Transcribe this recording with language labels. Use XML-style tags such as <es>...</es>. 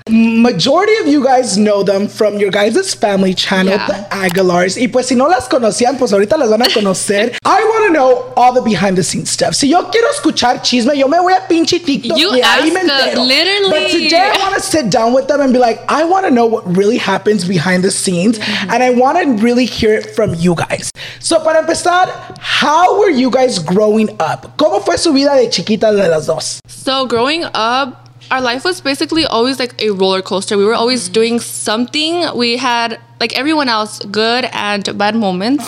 <en>Majority of you guys know them from your guys' family channel, yeah. The Aguilars.</en> <es>Y pues si no las conocían, pues ahorita las van a conocer.</es> <en>I want to know all the behind the scenes stuff.</en> <es>Si yo quiero escuchar chisme, yo me voy a pinche TikTok.</es> <en>You asked literally. But today I want to sit down with them and be like, I want to know what really happens behind the scenes. Mm-hmm. And I want to really hear it from you guys. So</en> <es>para empezar,</es> <en>how were you guys growing up?</en> <es>¿Cómo fue su vida de chiquita de las dos?</es> <en>So growing up, our life was basically always like a roller coaster. We were always doing something. We had, like everyone else, good and bad moments.</en>